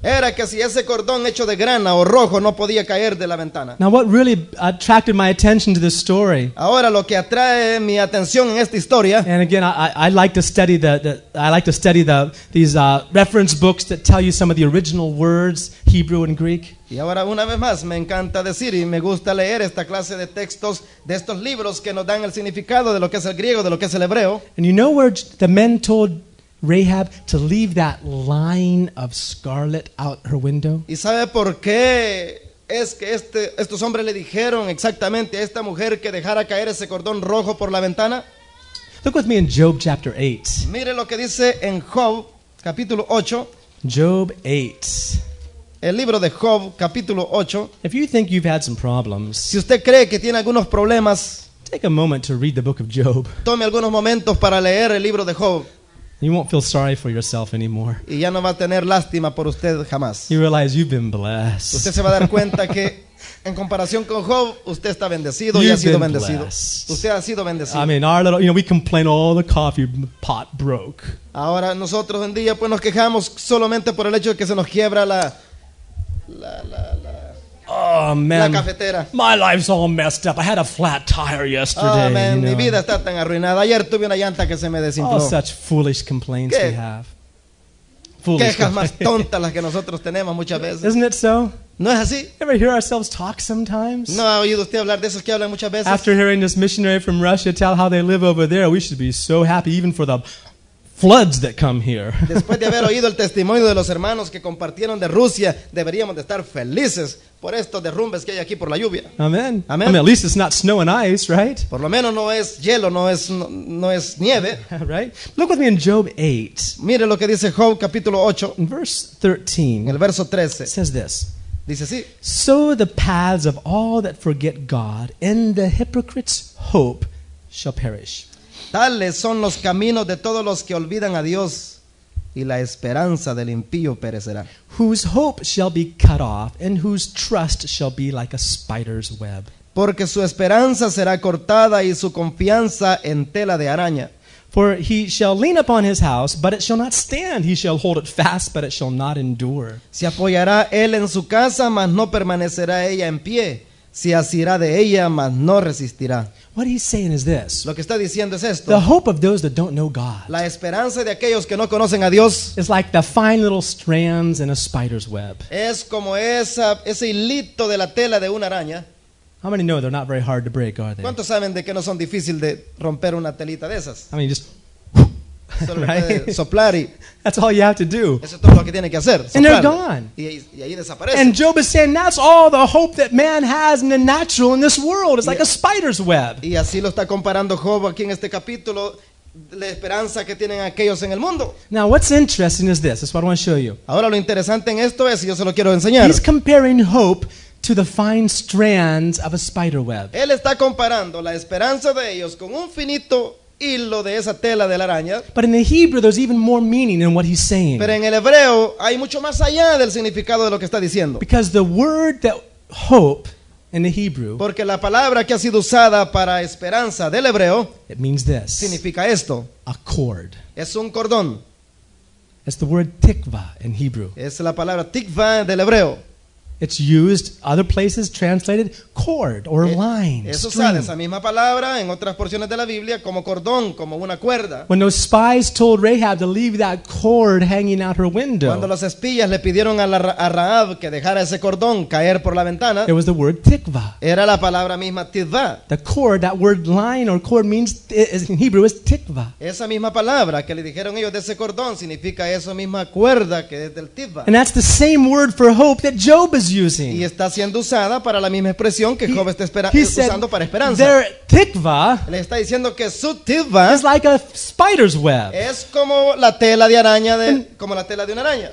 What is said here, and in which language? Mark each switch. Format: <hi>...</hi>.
<es>Era que si ese cordón hecho de grana o rojo no podía caer de la ventana.</es> <en>Now what really attracted my attention to this story.</en> <es>Ahora lo que atrae mi atención en esta historia.</es> <en>And again, I like to study these reference books that tell you some of the original words, Hebrew and Greek.</en> <es>Y ahora una vez más me encanta decir y me gusta leer esta clase de textos de estos libros que nos dan el significado de lo que es el griego, de lo que es el hebreo.</es> <en>And you know where the men told Rahab to leave that line of scarlet out her window.</en> <es>¿Y sabe por qué es que estos hombres le dijeron exactamente a esta mujer que dejara caer ese cordón rojo por la ventana?</es> <en>Look with me in Job chapter 8.</en> <es>Mire lo que dice en Job capítulo 8.</es> <en>Job 8.</en> <es>El libro de Job capítulo 8.</es> <en>If you think you've had some problems.</en> <es>Si usted cree que tiene algunos problemas.</es> <en>Take a moment to read the book of Job.</en> <es>Tome algunos momentos para leer el libro de Job.</es> <en>You won't feel sorry for yourself anymore.</en> <es>Y ya no va a tener lástima por usted jamás.</es> <en>You realize you've been blessed.</en> <es>Usted se va a dar cuenta que en comparación con Job, usted está bendecido</es> <en>you've</en> <es>y ha sido bendecido.</es> <en>Blessed.</en> <es>Usted ha sido bendecido.</es> <en>I mean, our little, you know, we complain all the coffee pot broke.</en> <es>Ahora nosotros en día pues nos quejamos solamente por el hecho de que se nos quiebra la</es> <en>oh, man.</en> <es>La cafetera.</es> <en>My life's all messed up. I had a flat tire yesterday. Oh, man. You know?</en> <es>Mi vida está tan arruinada. Ayer tuve una llanta que se me desinfló.</es> <en>Oh, such foolish complaints</en> <es>¿qué?</es> <en>We have. foolish.</en> <es>Quejas más tontas las que nosotros tenemos muchas veces.</es> <en>Isn't it so?</en> <es>¿No es así?</es> <en>Ever hear ourselves talk sometimes?</en> <es>¿No ha oído usted hablar de esos que hablan muchas veces?</es> <en>After hearing this missionary from Russia tell how they live over there, we should be so happy even for the floods that come here.</en> <es>Después de haber oído el testimonio de los hermanos que compartieron de Rusia, deberíamos de estar felices por estos derrumbes que hay aquí por la lluvia.</es> <en>Amen. Amen. I mean, at least it's not snow and ice, right?</en> <es>Por lo menos no es hielo, no es nieve.</es> <en>Right? Look with me in Job 8.</en> <es>Mire lo que dice Job capítulo 8.</es> <en>Verse 13.</en> <es>El verso 13.</es> <en>Says this.</en> <es>Dice así.</es> <en>So the paths of all that forget God in the hypocrite's hope shall perish.</en> <es>Tales son los caminos de todos los que olvidan a Dios y la esperanza del impío perecerá.</es> <en>Whose hope shall be cut off and whose trust shall be like a spider's web.</en> <es>Porque su esperanza será cortada y su confianza en tela de araña.</es> <en>For he shall lean upon his house, but it shall not stand. He shall hold it fast, but it shall not endure.</en> <es>Se apoyará él en su casa, mas no permanecerá ella en pie. Se asirá de ella, mas no resistirá.</es> <en>What he's saying is this.</en> <es>Lo que está diciendo es esto.</es> <en>The hope of those that don't know God.</en> <es>La esperanza de aquellos que no conocen a Dios.</es> <en>Is like the fine little strands in a spider's web.</en> <es>Es como ese hilito de la tela de una araña.</es> <en>How many know they're not very hard to break, are they?</en> <es>¿Cuántos saben de que no son difícil de romper una telita de esas?</es> <en>I mean, just right?</en> <es>Soplar y</es> <en>that's all you have to do.</en> <es>Eso es todo lo que tiene que hacer, soplar.</es> <en>And they're gone.</en> <es>Y ahí desaparece.</es> <en>And Job is saying that's all the hope that man has in the natural in this world. It's like a spider's web.</en> <es>Y así lo está comparando Job aquí en este capítulo, la esperanza que tienen aquellos en el mundo.</es> <en>Now, what's interesting is this. That's what I want to show you.</en> <es>Ahora lo interesante en esto es, y yo se lo quiero enseñar.</es> <en>He's comparing hope to the fine strands of a spider web.</en> <es>Él está comparando la esperanza de ellos con un finito hilo de esa tela de la araña.</es> <en>But in the Hebrew, there's even more meaning in what he's saying.</en> <es>Pero en el hebreo hay mucho más allá del significado de lo que está diciendo.</es> <en>Because the word that hope in the Hebrew.</en> <es>Porque la palabra que ha sido usada para esperanza del hebreo.</es> <en>It means this.</en> <es>Significa esto.</es> <en>A cord.</en> <es>Es un cordón.</es> <en>It's the word tikva in Hebrew.</en> <es>Es la palabra tikva del hebreo.</es> <en>It's used other places translated cord or line.</en> <es>Eso sale esa misma palabra en otras porciones de la Biblia como cordón, como una cuerda.</es> <en>When those spies told Rahab to leave that cord hanging out her window.</en> <es>Cuando los espías le pidieron a Rahab que dejara ese cordón caer por la ventana.</es> <en>It was the word tikva.</en> <es>Era la palabra misma tikva.</es> <en>The cord, that word line or cord means in Hebrew is tikva.</en> <es>Esa misma palabra que le dijeron ellos de ese cordón significa esa misma cuerda que es del tikva.</es> <en>And that's the same word for hope that Job is using.</en> <es>Y está siendo usada para la misma expresión que Job está usando para esperanza.</es> <en>Their tikva,</en> <es>le está diciendo que su tikva</es> <en>is like a spider's web.</en> <es>Es como la tela de araña como la tela de una araña.</es>